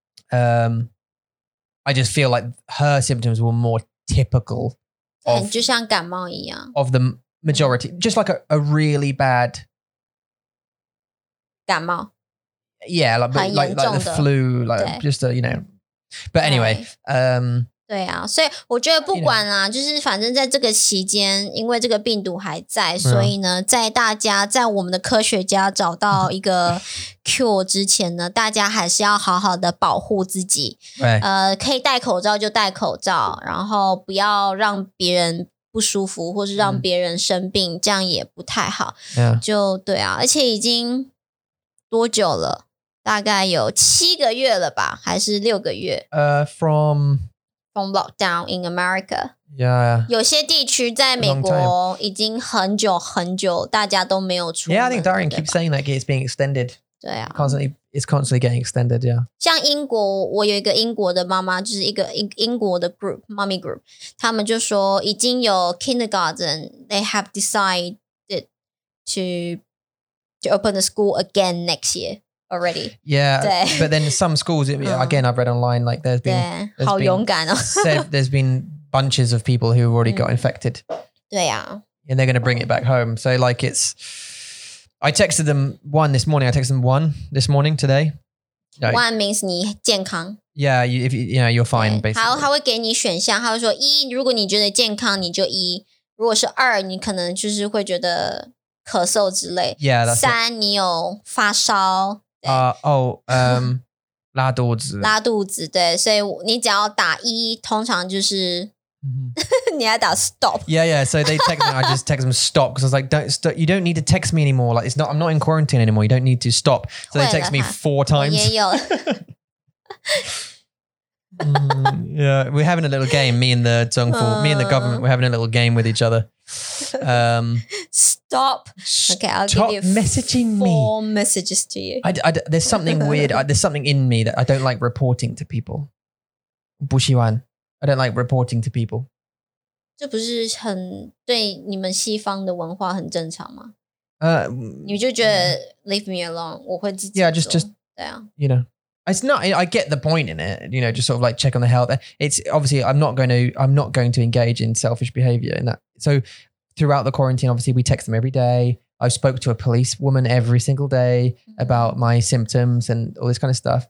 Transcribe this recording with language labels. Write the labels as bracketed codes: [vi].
[en] And I just feel like her symptoms were more typical of the majority, just like a really bad [zh] 感冒. [en] Yeah, like the flu, like just a, you know. But anyway, [zh] 对啊，所以我觉得不管啦，就是反正在这个期间，因为这个病毒还在，所以呢，在大家在我们的科学家找到一个 cure 之前呢，大家还是要好好的保护自己。对，可以戴口罩就戴口罩，然后不要让别人不舒服，或是让别人生病，这样也不太好。就对啊，而且已经多久了？大概有7个月了吧，还是6个月？ [en] From lockdown in America. Yeah. [zh] 有些地区在美国已经很久很久，大家都没有出门。 [en] Yeah, I think Darren keeps saying that it's being extended. [zh] 对啊。 [en] It's constantly getting extended, yeah. [zh] 像英国，我有一个英国的妈妈，就是一个英国的 group, mommy group, 他们就说已经有 kindergarten, [en] they have decided to open the school again next year. Already. Yeah, but then some schools, again, I've read online, like there's been, there's been bunches of people who already got infected. Yeah. And they're going to bring it back home. So like I texted them one this morning today. No. One means [zh] 你健康. [en] Yeah, you're fine, basically. [zh] 他会给你选项，他会说一，如果你觉得健康，你就一，如果是二，你可能就是会觉得咳嗽之类。 [en] Yeah, that's [zh] 三, [en] it. [zh] 你有发烧。拉肚子。拉肚子，对，所以你只要打一，通常就是、你要打 stop. [en] Yeah, yeah, so they text me, I just text them stop, because I was like, you don't need to text me anymore, like, I'm not in quarantine anymore, you don't need to stop. So they text me 4 times. [zh] 我也有。 [en] yeah, we're having a little game, me and the 政府, me and the government, we're having a little game with each other. Stop. Okay, I'll give you four messages to you. There's something weird. There's something in me that I don't like reporting to people. [zh] 不喜欢. [en] I don't like reporting to people. [zh] 这不是很对你们西方的文化很正常吗？你就觉得 [en] leave me alone. [zh] 我会自己做。 [en] Yeah, just, [zh] 对啊. [en] You know. It's not, I get the point in it, you know, just sort of like check on the health. It's obviously, I'm not going to engage in selfish behavior in that. So throughout the quarantine, obviously we text them every day. I spoke to a police woman every single day about my symptoms and all this kind of stuff.